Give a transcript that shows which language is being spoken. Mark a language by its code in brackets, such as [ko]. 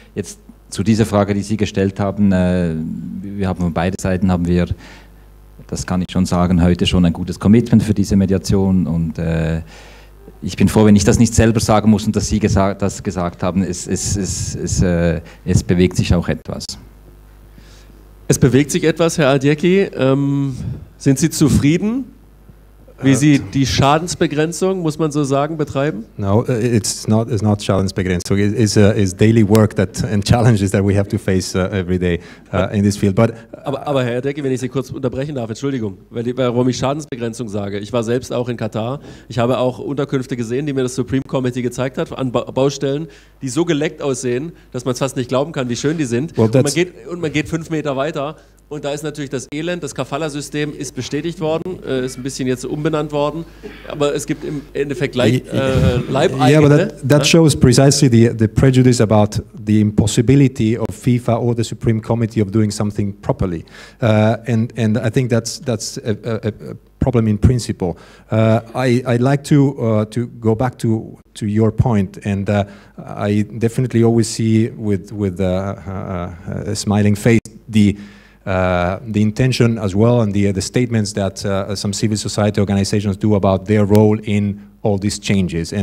[de] Jetzt zu dieser Frage, die Sie gestellt haben, wir haben von beiden Seiten, das kann ich schon sagen, heute schon ein gutes Commitment für diese Mediation und ich bin froh, wenn ich das nicht selber sagen muss und dass Sie das gesagt haben, es bewegt sich auch etwas. Es bewegt sich etwas, Herr Adjeki. Sind Sie zufrieden wie sie die Schadensbegrenzung, muss man so sagen, betreiben? [en] No, it's not Schadensbegrenzung. It's daily work that and challenges that we have to face every day in this field. But [de] aber Herr Decke, wenn ich Sie kurz unterbrechen darf, Entschuldigung, warum ich Schadensbegrenzung sage. Ich war selbst auch in Katar. Ich habe auch Unterkünfte gesehen, die mir das Supreme Committee gezeigt hat, an Baustellen, die so geleckt aussehen, dass man es fast nicht glauben kann, wie schön die sind. [en] Well, [de] und man geht 5 Meter weiter. Und da ist natürlich das Elend, das Kafala-System ist bestätigt worden, ist ein bisschen jetzt umbenannt worden, aber es gibt im Endeffekt gleich Leibeigene. [en] Yeah, but that shows precisely the prejudice about the impossibility of FIFA or the Supreme Committee of doing something properly. And I think that's a problem in principle. I'd like to go back to your point, and I definitely always see with a smiling face the intention as well, and the statements that some civil society organizations do about their role in all these changes.